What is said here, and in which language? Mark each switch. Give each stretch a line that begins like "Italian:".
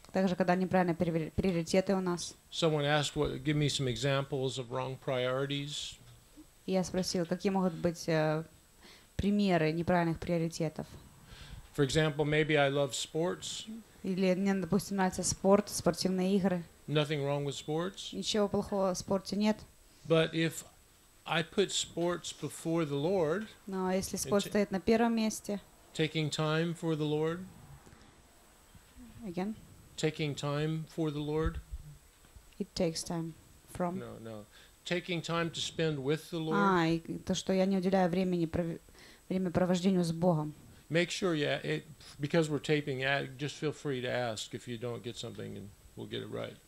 Russian: Также когда неправильные приоритеты у нас.
English: Someone asked, give me some examples of wrong priorities.
Russian: Я спросил, какие могут быть примеры неправильных приоритетов.
English: For example, maybe I love sports.
Russian: Или мне, допустим, нравится спорт, спортивные игры.
English: Nothing wrong with sports.
Russian: Ничего плохого в спорте нет.
English: But if I put sports before the Lord.
Russian: Но если спорт стоит на первом месте.
English: Taking time for the Lord. Again. Taking time for the Lord. It takes time from. No. Taking time to spend with the Lord.
Russian: И то, что я не уделяю времени времяпровождению с Богом.
English: Make sure, yeah, because we're taping. Yeah, just feel free to ask if you don't get something, and we'll get it right.